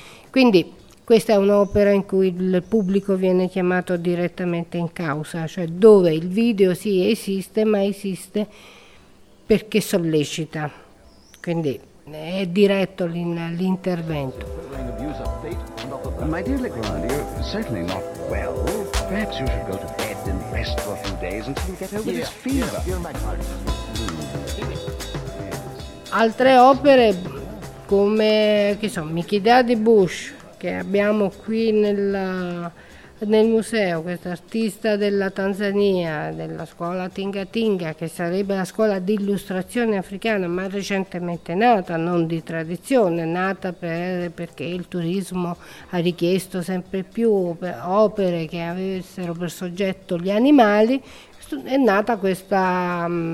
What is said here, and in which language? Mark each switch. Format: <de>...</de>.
<it>Quindi questa è un'opera in cui il pubblico viene chiamato direttamente in causa, cioè dove il video sì esiste, ma esiste perché sollecita, quindi è diretto l'intervento.</it> <en>My dear Legrand, you're certainly not well. Perhaps you should go to bed and rest for a few days until you get over this fever.</en> <it>Altre opere come, che so, Mickey Daddy Bush, che abbiamo qui nel museo, questo artista della Tanzania, della scuola Tinga Tinga, che sarebbe la scuola di illustrazione africana, ma recentemente nata, non di tradizione, nata perché il turismo ha richiesto sempre più opere che avessero per soggetto gli animali, è nata questa</it>